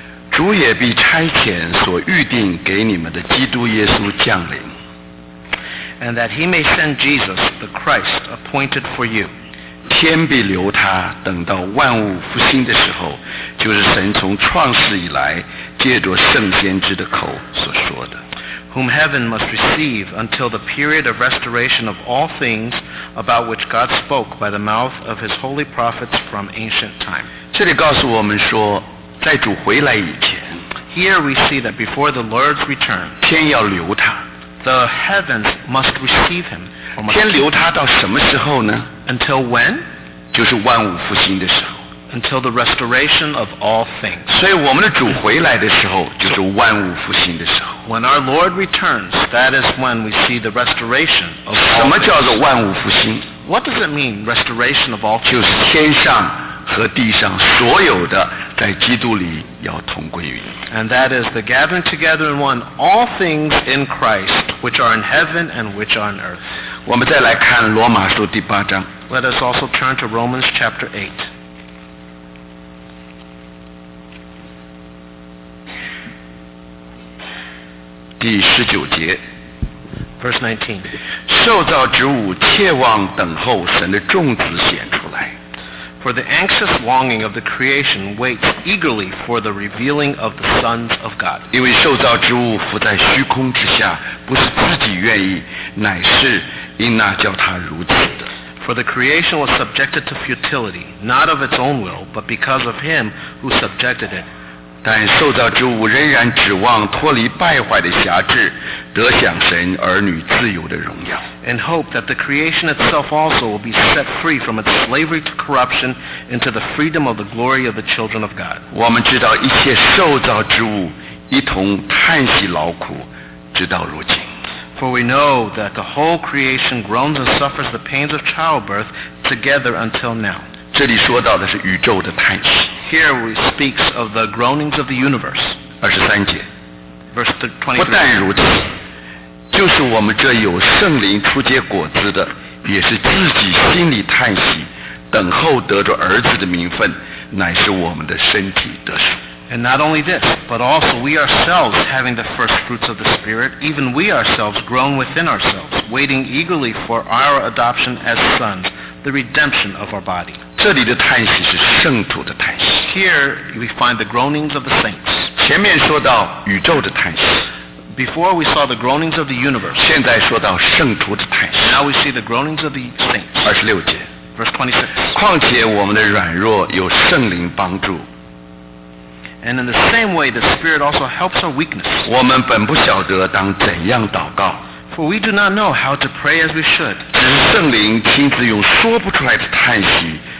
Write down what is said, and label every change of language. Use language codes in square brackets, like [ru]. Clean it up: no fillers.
[zh] 主也必差遣所预定给你们的基督耶稣降临。 [en] And that he may send Jesus, the Christ, appointed for you. [zh] 天必留他，等到万物复兴的时候，就是神从创世以来，借着圣先知的口所说的。 [en] Whom heaven must receive until the period of restoration of all things about which God spoke by the mouth of his holy prophets from ancient time. [zh] 这里告诉我们说，在主回来以前， [en] Here we see that before the Lord's return, [zh] 天要留他， [en] the heavens must receive him. [zh] 天留他到什么时候呢？ [en] Until when? [zh] 就是万物复兴的时候。 [en] Until the restoration of all things. [zh] 所以我们的主回来的时候，就是万物复兴的时候。 [en] When our Lord returns, that is when we see the restoration of all [zh] things. 什么叫做万物复兴？ [en] What does it mean, restoration of all things? [zh] 就是天上和地上所有的在基督里要同归于尽。 [en] And that is the gathering together in one all things in Christ, which are in heaven and which are on earth. [zh] 我们再来看罗马书第八章。 [en] Let us also turn to Romans chapter 8. [zh] 第十九节 [en] Verse 19. [zh] 受造之物切望等候神的众子显出来。 [en] For the anxious longing of the creation waits eagerly for the revealing of the sons of God. [zh] 因为受造之物浮在虚空之下，不是自己愿意，乃是因那叫他如此的。 [en] For the creation was subjected to futility, not of its own will, but because of him who subjected it. [zh] 但受造之物仍然指望脱离败坏的辖制，得享神儿女自由的荣耀。 [en] And hope that the creation itself also will be set free from its slavery to corruption into the freedom of the glory of the children of God. [zh] 我们知道一切受造之物一同叹息劳苦，直到如今。 [en] For we know that the whole creation groans and suffers the pains of childbirth together until now. [zh] 这里说到的是宇宙的叹息。 [en] Here we speak of the groanings of the universe. [zh] 二十三节 [en] Verse 23. [zh] 不但如此，就是我们这有圣灵初结果子的，也是自己心里叹息，等候得着儿子的名分，乃是我们的身体得赎。 [en] And not only this, but also we ourselves, having the first fruits of the Spirit, even we ourselves groan within ourselves, waiting eagerly for our adoption as sons, the redemption of our body. [zh] 这里的叹息是圣徒的叹息。 [en] Here we find the groanings of the saints. [zh] 前面说到宇宙的叹息。 [en] Before we saw the groanings of the universe. [zh] 现在说到圣徒的叹息。 [en] Now we see the groanings of the saints. [zh] 二十六节。 [en] Verse 26. [zh] 况且我们的软弱有圣灵帮助。 [en] And in the same way, the Spirit also helps our weakness. [zh] 我们本不晓得当怎样祷告。 [en] For we do not know how to pray as we should. [zh] 只是圣灵亲自用说不出来的叹息。